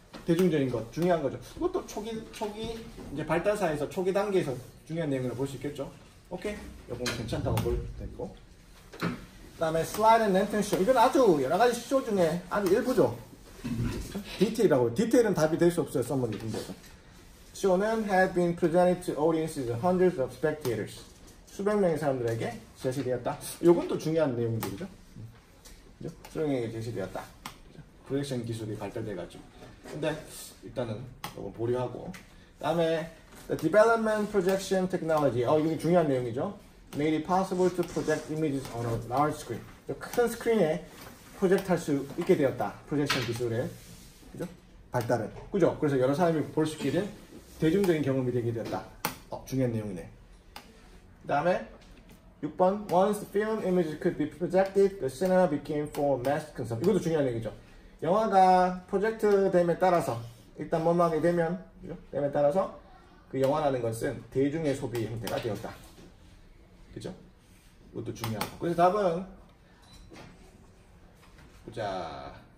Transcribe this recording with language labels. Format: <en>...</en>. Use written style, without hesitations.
<ko>대중적인 것 중요한 거죠. 그것도 초기 이제 발달사에서 초기 단계에서 중요한 내용을 볼 수 있겠죠. 오케이, 이건 괜찮다고 볼 테고. 그다음에 슬라이드 랜턴 쇼. 이건 아주 여러 가지 쇼 중에 아주 일부죠. 디테일하고 디테일은 답이 될 수 없어요. 썸머리 등대에서.</ko> <en>쇼는 have been presented to audiences hundreds of spectators.</en> <ko>수백 명의 사람들에게 제시되었다. 이것도 중요한 내용들이죠. 수령에게 제시되었다. 프로젝션 기술이 발달돼가지고. 근데 일단은 이거 보류하고. 다음에 the development projection technology. 이게 중요한 내용이죠.</ko> <en>Made it possible to project images on a large screen.</en> <ko>큰 스크린에 프로젝트할 수 있게 되었다. 프로젝션 기술의 그죠? 발달은. 그죠? 그래서 여러 사람이 볼 수 있게 된 대중적인 경험이 되게 되었다. 중요한 내용이네.</ko> <en>다음에 6번, once film images could be projected, the cinema became for mass consumption.</en> <ko>이것도 중요한 얘기죠. 영화가 프로젝트 됨에 따라서, 일단 뭐하게 되면, 그죠? 됨에 따라서, 그 영화라는 것은 대중의 소비 형태가 되었다. 그죠? 이것도 중요한 거. 그래서 답은, 보자.</ko>